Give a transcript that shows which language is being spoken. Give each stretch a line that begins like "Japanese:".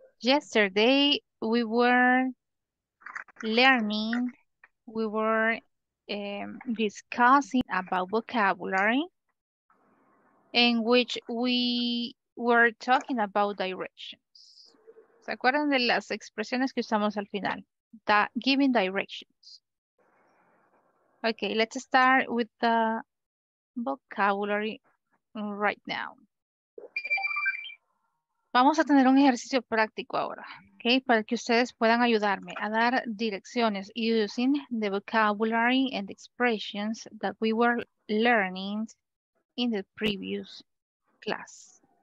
English: Yesterday we were learning, we were discussing about vocabulary in which we were talking about directions.
Spanish: ¿Se acuerdan de las expresiones que usamos al final?
English: Da giving directions. Okay, let's start with the vocabulary right now.
Spanish: Vamos a tener un ejercicio práctico ahora, okay, para que ustedes puedan ayudarme a dar direcciones
English: using the vocabulary and expressions that we were learning in the previous class.